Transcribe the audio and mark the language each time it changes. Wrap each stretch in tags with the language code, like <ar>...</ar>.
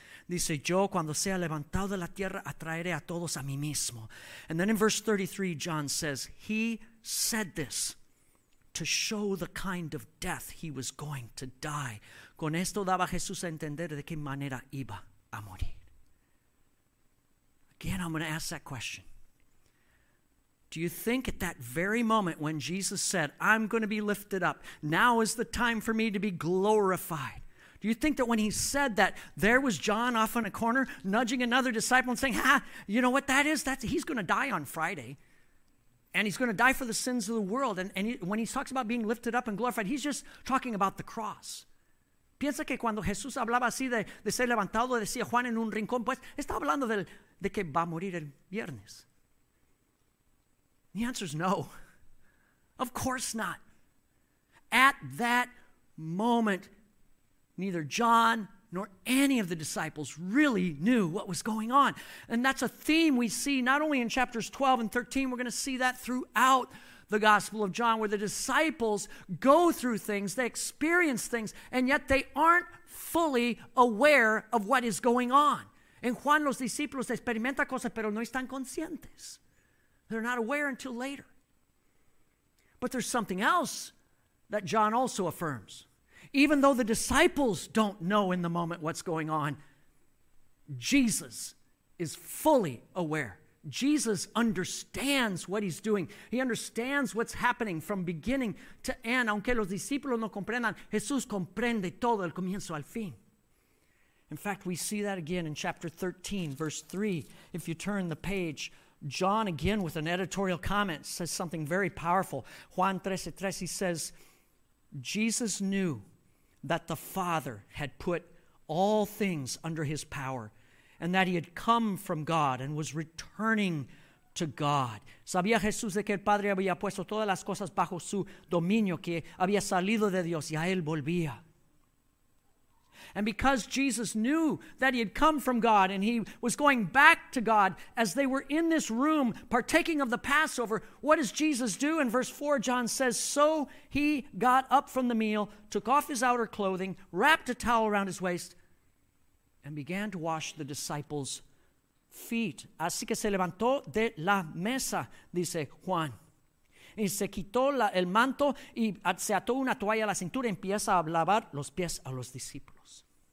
<es>Dice, yo cuando sea levantado de la tierra, atraeré a todos a mí mismo.</es> <en>And then in verse 33, John says, he said this to show the kind of death he was going to die.</en> <es>Con esto daba Jesús a entender de qué manera iba a morir.</es> <en>Again, I'm going to ask that question. Do you think at that very moment when Jesus said, I'm going to be lifted up, now is the time for me to be glorified? Do you think that when he said that, there was John off in a corner nudging another disciple and saying, ha, you know what that is? He's going to die on Friday. And he's going to die for the sins of the world. And when he talks about being lifted up and glorified, he's just talking about the cross.</en> <es>Piensa que cuando Jesús hablaba así de ser levantado, decía Juan en un rincón, pues está hablando de que va a morir el viernes.</es> <en>The answer is no. Of course not. At that moment, neither John nor any of the disciples really knew what was going on. And that's a theme we see not only in chapters 12 and 13, we're going to see that throughout the Gospel of John, where the disciples go through things, they experience things, and yet they aren't fully aware of what is going on.</en> <es>En Juan, los discípulos experimentan cosas, pero no están conscientes.</es> <en>They're not aware until later. But there's something else that John also affirms. Even though the disciples don't know in the moment what's going on, Jesus is fully aware. Jesus understands what he's doing. He understands what's happening from beginning to end.</en> <es>Aunque los discípulos no comprendan, Jesús comprende todo el comienzo al fin.</es> <en>In fact, we see that again in chapter 13, verse 3. If you turn the page, John, again, with an editorial comment, says something very powerful. Juan 13:3, he says, Jesus knew that the Father had put all things under his power and that he had come from God and was returning to God.</en> <es>Sabía Jesús de que el Padre había puesto todas las cosas bajo su dominio, que había salido de Dios y a él volvía.</es> <en>And because Jesus knew that he had come from God and he was going back to God as they were in this room partaking of the Passover, what does Jesus do? In verse 4, John says, so he got up from the meal, took off his outer clothing, wrapped a towel around his waist, and began to wash the disciples' feet.</en> <es>Así que se levantó de la mesa, dice Juan. Y se quitó el manto y se ató una toalla a la cintura y empieza a lavar los pies a los discípulos.</es>